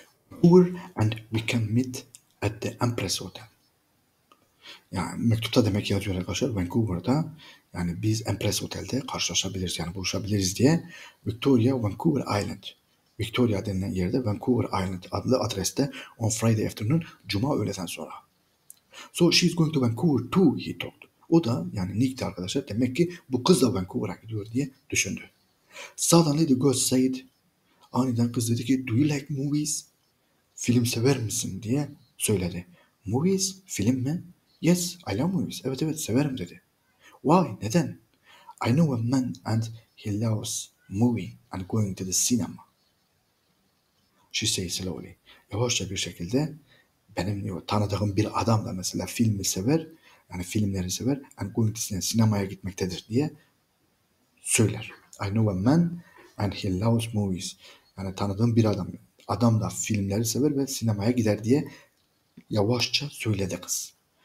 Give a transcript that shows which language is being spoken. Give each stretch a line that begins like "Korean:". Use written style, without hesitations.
English: Vancouver and we can meet at the Empress Hotel.
Turkish: Yani mektupta demek ki yazıyor arkadaşlar Vancouver'da yani biz Empress Hotel'de karşılaşabiliriz yani buluşabiliriz diye. Victoria Vancouver Island. Victoria denilen yerde Vancouver Island adlı adreste
English: on Friday afternoon,
Turkish: cuma öğleden sonra.
English: So she's going to Vancouver too, he thought.
Turkish: O da yani Nick de arkadaşlar demek ki bu kız da Vancouver'a gidiyor diye düşündü.
English: Suddenly the girl said,
Turkish: aniden kız dedi ki,
English: do you like movies?
Turkish: Film sever misin diye söyledi. Movies, film mi?
English: Yes, I love movies.
Turkish: Evet evet, severim dedi.
English: Why,
Turkish: neden?
English: I know a man and he loves movie and going to the cinema. She says slowly.
Turkish: Yavaşça bir şekilde benim tanıdığım bir adam da mesela filmi sever, yani filmleri sever
English: and going to the
Turkish: sinemaya gitmektedir diye söyler.
English: I know a man and he loves movies.
Turkish: Yani tanıdığım bir adam. Adam da filmleri sever ve sinemaya gider diye yavaşça söyledi kız.